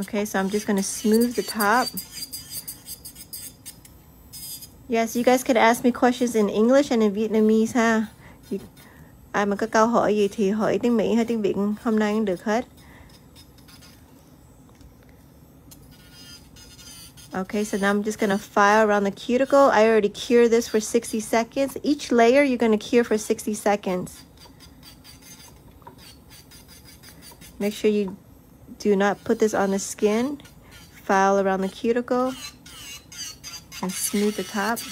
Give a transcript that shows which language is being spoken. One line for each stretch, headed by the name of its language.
English: Okay, so I'm just gonna smooth the top. Yes, you guys can ask me questions in English and in Vietnamese, ha.
Vietnamese: Ai mà có câu hỏi gì thì hỏi tiếng Mỹ hay tiếng Việt hôm nay cũng được hết.
English: Okay, so now I'm just gonna file around the cuticle. I already cured this for 60 seconds. Each layer you're gonna cure for 60 seconds. Make sure you do not put this on the skin. File around the cuticle and smooth the top.